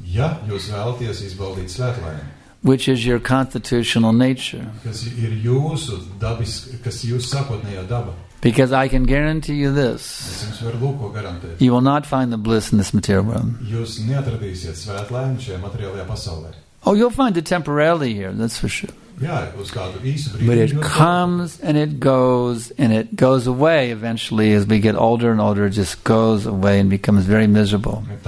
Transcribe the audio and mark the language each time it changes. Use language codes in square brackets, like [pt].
[lv] ja jūs vēlaties izbaudīt svētlaimi, [en] which is your constitutional nature. [lv] Kas ir jūsu dabis, kas jūsu sapotnējā daba. [en] Because I can guarantee you this. [lv] Es jums varu lūk, ko garantēt. [en] You will not find the bliss in this material world. [lv] Jūs neatradīsiet svētlaimi šajā materiālajā pasaulē. [en] Oh, you'll find it temporarily here, that's for sure. But it comes and it goes away eventually as we get older and older, it just goes away and becomes very miserable.